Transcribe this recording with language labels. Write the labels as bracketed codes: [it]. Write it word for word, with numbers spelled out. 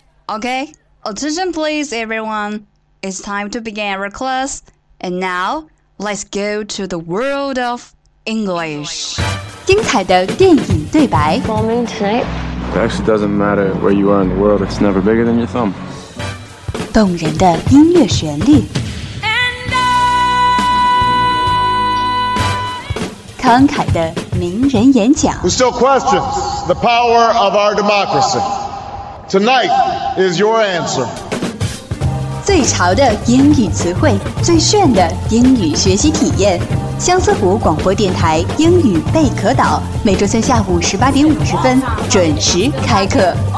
[en] Okay, attention please everyone. It's time to begin our class. And now, let's go to the world of English. [zh] 精彩的电影对白 [en] Well, I mean, tonight. It actually doesn't matter where you are in the world. It's never bigger than your thumb. [zh] 动人的音乐旋律 慷慨的名人演讲 [en] Who still questions the power of our democracy. Tonight is your answer. [zh] 最潮的英语词汇，最炫的英语学习体验。相思湖广播电台英语贝壳岛，每周三下午十八点五十分准时开课。